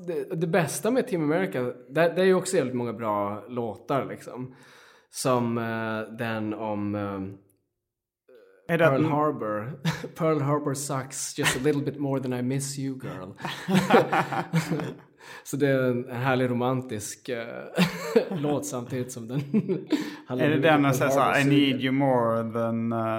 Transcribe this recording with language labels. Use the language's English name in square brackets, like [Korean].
[Swedish] det bästa med Team America, det är ju också helt många bra låtar liksom, som den om Pearl Harbor. [English] Pearl Harbor sucks just a little bit more than I miss you, girl. [Swedish] Så det är en härlig romantisk låt, samtidigt som den... Är det den som säger så, [English] I need you more than...